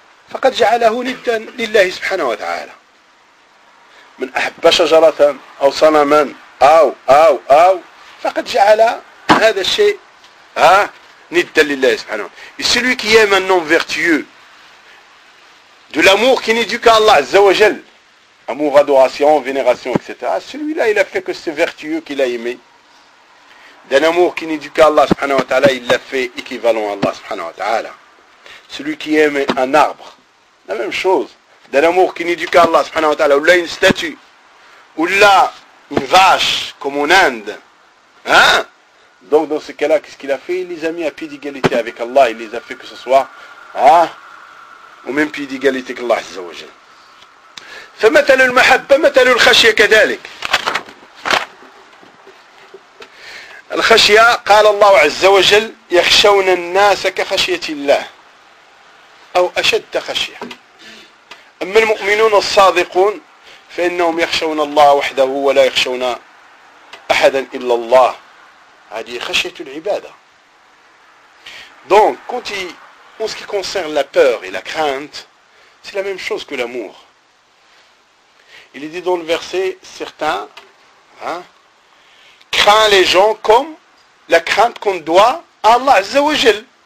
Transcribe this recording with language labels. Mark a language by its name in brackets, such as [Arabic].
[Arabic] فقد جعله ندا لله سبحانه وتعالى. من أحب شجرة أو صنما أو أو أو فقد جعل هذا الشيء ندا لله سبحانه. [French] celui qui aime un homme vertueux de l'amour qui n'est dû qu'à Allah عز وجل, amour, adoration, vénération, etc. Celui-là, il a fait que ce vertueux qu'il a aimé, d'un amour qui n'est dû qu'à Allah subhanahu wa ta'ala, il l'a fait équivalent à Allah subhanahu wa ta'ala. Celui qui aime un arbre, la même chose, d'un amour qui n'est dû qu'à Allah subhanahu wa ta'ala, ou là une statue, ou là une vache, comme en Inde. Hein? Donc dans ce cas-là, qu'est-ce qu'il a fait? Il les a mis à pied d'égalité avec Allah, il les a fait que ce soit au même pied d'égalité qu'Allah azza wa jalla. [Arabic] فمثل المحبة مثل الخشية كذلك. الخشية قال الله عز وجل يخشون الناس كخشية الله أو أشد خشية. أما المؤمنون الصادقون فإنهم يخشون الله وحده ولا يخشون أحدا إلا الله. هذه خشية العبادة. [French] Donc quand en ce qui concerne la peur et la crainte, c'est la même chose que l'amour. Il est dit dans le verset, certains, hein, craint les gens comme la crainte qu'on doit à Allah Azza wa Jal.